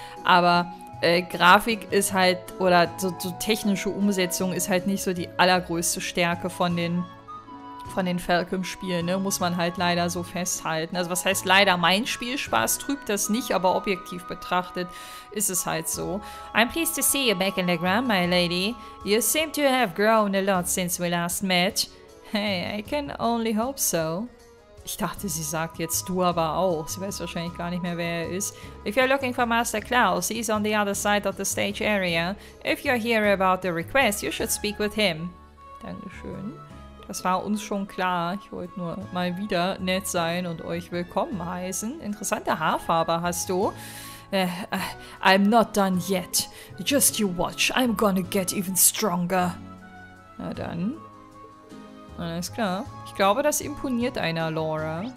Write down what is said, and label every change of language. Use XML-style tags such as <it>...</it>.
<de>Aber Grafik ist halt, oder so technische Umsetzung ist halt nicht so die allergrößte Stärke von den Falcom-Spielen, ne? Muss man halt leider so festhalten. Also was heißt leider, mein Spielspaß trübt das nicht, aber objektiv betrachtet ist es halt so.</de> <en>I'm pleased to see you back in the ground, my lady. You seem to have grown a lot since we last met. Hey, I can only hope so.</en> <de>Ich dachte, sie sagt jetzt du aber auch. Sie weiß wahrscheinlich gar nicht mehr, wer er ist.</de> <en>If you're looking for Master Klaus, he's on the other side of the stage area. If you hear about the request, you should speak with him.</en> <de>Dankeschön. Das war uns schon klar. Ich wollte nur mal wieder nett sein und euch willkommen heißen. Interessante Haarfarbe hast du.</de> <en>I'm not done yet. Just you watch. I'm gonna get even stronger.</en> <de>Na dann. Alles klar. Ich glaube, das imponiert einer Laura.</de>